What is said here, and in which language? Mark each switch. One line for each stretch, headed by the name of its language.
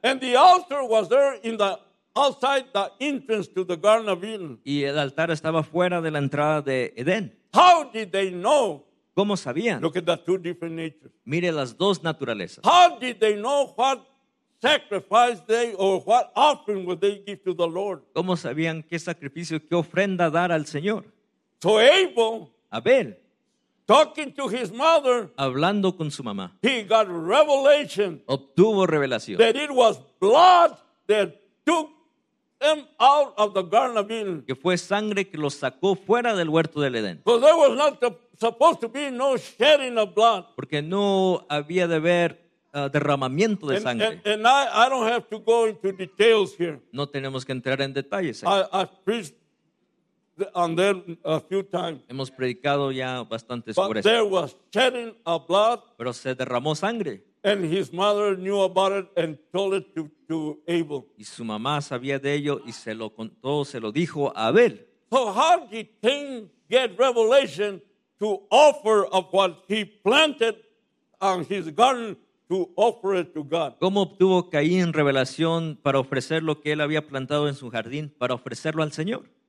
English: And the altar was there in the outside the entrance to the Garden of Eden.
Spanish: Y el altar estaba fuera de la entrada de Edén.
English: How did they know?
Spanish: ¿Cómo sabían?
English: Look at the two different natures.
Spanish: Mire las dos naturalezas.
English: How did they know what sacrifice they or what offering would they give to the Lord?
Spanish: ¿Cómo sabían qué sacrificio, qué ofrenda dar al Señor?
English: So Abel,
Spanish: Abel,
English: talking to his mother,
Spanish: hablando con su mamá,
English: he got revelation,
Spanish: obtuvo revelación,
English: that it was blood that took them out of the Garden of Eden,
Spanish: que fue sangre que los sacó fuera del huerto del Edén.
English: Because there was not supposed to be no shedding of blood,
Spanish: porque no había de haber derramamiento de sangre.
English: And I don't have to go into details here.
Spanish: No tenemos que entrar en detalles.
English: I've preached on them a few times.
Spanish: Hemos predicado ya bastantes sobre eso.
English: There was shedding of blood.
Spanish: Pero se derramó sangre.
English: And his mother knew about it and told it to Abel.
Spanish: Y su mamá sabía de ello y se lo contó, se lo dijo a Abel.
English: So how did Cain get revelation to offer of what he planted on his garden? To offer it to God.
Spanish: ¿Cómo obtuvo Caín revelación para ofrecer lo que él había plantado en su jardín para ofrecerlo al Señor?